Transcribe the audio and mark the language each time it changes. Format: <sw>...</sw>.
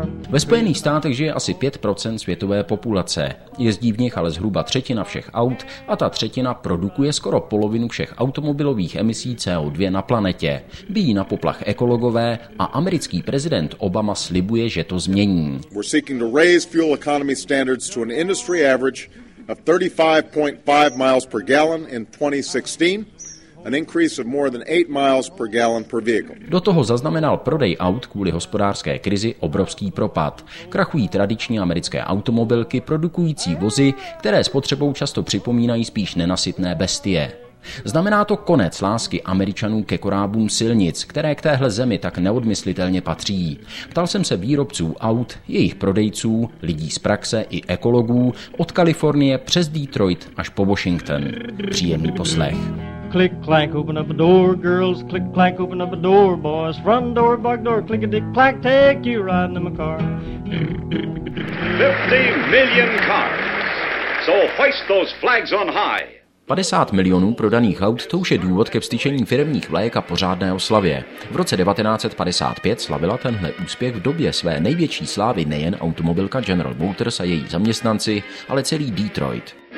<cs>Ve Spojených státech žije asi 5% světové populace. Jezdí v nich ale zhruba třetina všech aut a ta třetina produkuje skoro polovinu všech automobilových emisí CO2 na planetě. Bijí na poplach ekologové a americký prezident Obama slibuje, že to změní.</cs> <en>We're seeking to raise fuel economy standards to an industry average of 35.5 miles per gallon in 2016. An increase of more than 8 miles per gallon per vehicle.</en> <cs>Do toho zaznamenal prodej aut kvůli hospodářské krizi obrovský propad. Krachují tradiční americké automobilky produkující vozy, které spotřebou často připomínají spíš nenasytné bestie. Znamená to konec lásky Američanů ke korábům silnic, které k téhle zemi tak neodmyslitelně patří. Ptal jsem se výrobců aut, jejich prodejců, lidí z praxe i ekologů od Kalifornie přes Detroit až po Washington. Příjemný poslech.</cs> <en>Click clank, open up a door, girls. Click clank, open up a door, boys. Front door, back door, click a dick clack, take you riding in my car. 50 million cars, so hoist those flags on high.</en> <cs>50 milionů prodaných aut, to už je důvod ke vztyčení firemních vlajek a pořádné oslavě. V roce 1955 slavila tenhle úspěch v době své největší slávy nejen automobilka General Motors a její zaměstnanci, ale celý Detroit.</cs>